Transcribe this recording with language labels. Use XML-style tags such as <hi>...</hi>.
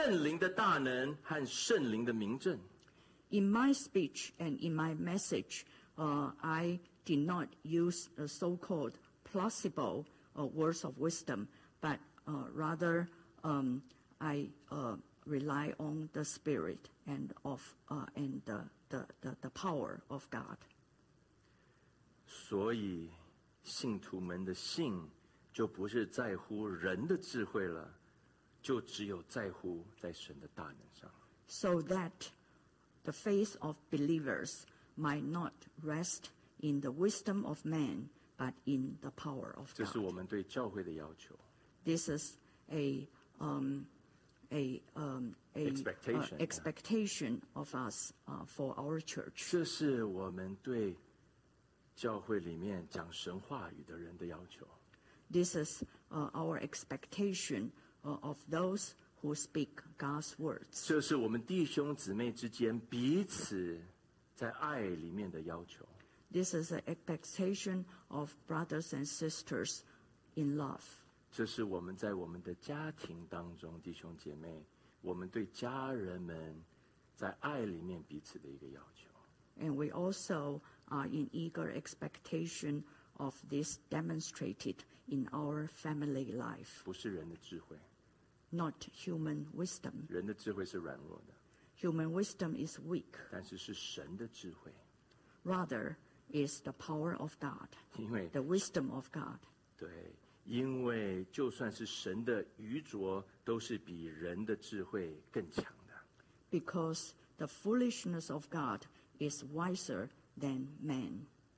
<zh>我所说的每一句话，我所讲的每一篇道，我不要用那所谓智慧的、委婉的言语，我要用圣灵的大能和圣灵的名证。</zh> <en>In my speech and in my message, I did not use the so-called plausible words of wisdom, but rather I rely on the Spirit and of and the power of God.</en> <zh>所以信徒们的信就不是在乎人的智慧了，就只有在乎在神的大能上。</zh> <en>So that the faith of believers might not rest in the wisdom of man, but in the power of God.</en> <zh>这是我们对教会的要求。</zh> <en>This is a expectation of us for our church.</en> <zh>这是我们对教会里面讲神话语的人的要求。</zh> <en>This is our expectation of those who speak God's words.</en> <zh>这是我们弟兄姊妹之间彼此在爱里面的要求。</zh> <en>This is the expectation of brothers and sisters in love.</en> <zh>这是我们在我们的家庭当中，弟兄姐妹，我们对家人们在爱里面彼此的一个要求。</zh> <en>And we also are in eager expectation of this demonstrated in our family life.</en> <zh>不是人的智慧。</zh> <en>Not human wisdom.</en> <zh>人的智慧是软弱的。</zh> <en>Human wisdom is weak.</en> <zh>但是是神的智慧。</zh> <en>Rather,is the power of God, the wisdom of God.</en> <zh>对，因为就算是神的愚拙，都是比人的智慧更强的。</zh> <en>Because the foolishness of God is wiser than man.</en>